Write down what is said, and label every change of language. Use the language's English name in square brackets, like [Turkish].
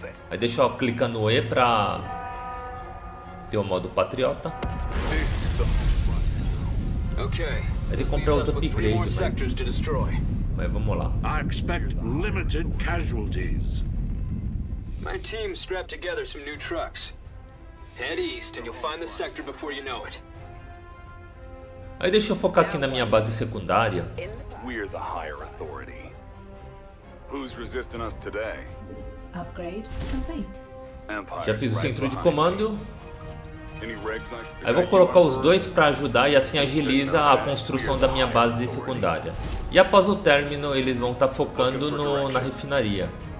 [Portuguese] Aí deixa eu clicar no E pra ter o modo patriota. Aí tem que comprar os upgrades, mas vamos lá. Eu espero [English] limited casualties. [Portuguese] Meu time [English] scrapped together some new trucks. Head east and you'll find the sector before you know it. [Portuguese] Aí deixa eu focar aqui na minha base secundária. [English] We're the higher authority. Who's resisting us today? Upgrade complete. [Portuguese] Já fiz o centro de comando. Aí vou colocar os dois para ajudar e assim agiliza a construção da minha base secundária. E após o término eles vão estar focando no, na refinaria.